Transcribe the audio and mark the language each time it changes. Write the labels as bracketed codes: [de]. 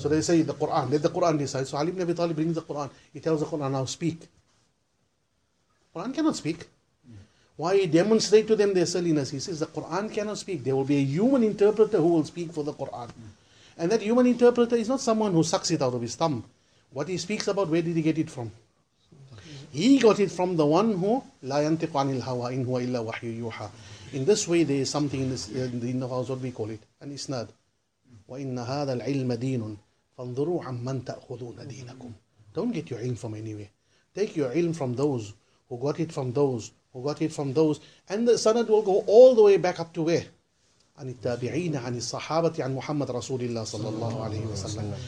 [en] So they say the Quran, let the Quran decide. So Ali ibn Abi Talib brings the Quran. He tells the Quran, now speak. Quran cannot speak. Why? He demonstrate to them their silliness. He says the Quran cannot speak. There will be a human interpreter who will speak for the Quran. And that human interpreter is not someone who sucks it out of his thumb. What he speaks about, where did he get it from? He got it from the one who [ar] لا ينطق عن الهوى إن هو إلا وحي يوحى. [en] In this way, there is something in the Deen of Allah, what we call it, an isnad. [ar] وَإِنَّ هَذَا الْعِلْمَ دِينٌ فَانْظُرُوا عَمَّنْ تَأْخُذُونَ دِينَكُمْ. [en] Don't get your ilm from anywhere. Take your ilm from those who got it from those who got it from those. And the sanad will go all the way back up to where? [ar] عَنِ التَّابِعِينَ عَنِ الصَّحَابَةِ عَنْ مُحَمَّدْ رَسُولِ اللَّهِ صَلَّى اللَّهُ عَلَيْهِ وَسَلَّمْ.